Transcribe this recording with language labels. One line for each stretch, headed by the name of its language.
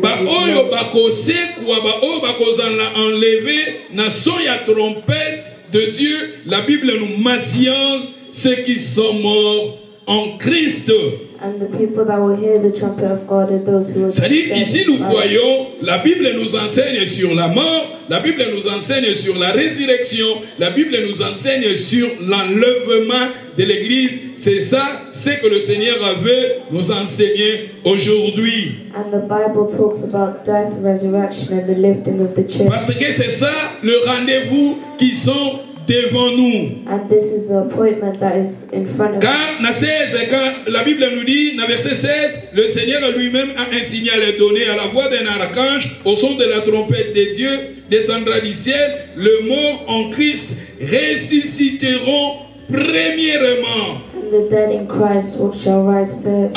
Lingala: ba oyo ba kosekwa ba oyo ba kozana
French: enlevé na son ya trompette de Dieu, la Bible nous mentionne ceux qui sont morts en Christ.
English: And the people that will hear the trumpet of God are those who are.
French: C'est-à-dire ici nous voyons la Bible nous enseigne sur la mort, la Bible nous enseigne sur la résurrection, la Bible nous enseigne sur l'enlèvement de l'Église. C'est ça, c'est que le Seigneur avait nous enseigner aujourd'hui.
English: And the Bible talks about death, resurrection, and the lifting of the church.
French: Parce que c'est ça le rendez-vous qui sont devant nous.
English: And this is the appointment that is in front of
French: quand, na 16, quand la Bible nous dit, dans verset 16, le Seigneur lui-même a un signal donné à la voix d'un archange, au son de la trompette de Dieu, descendra du ciel, le mort en Christ ressusciteront premièrement.
English: And the dead in Christ shall rise first.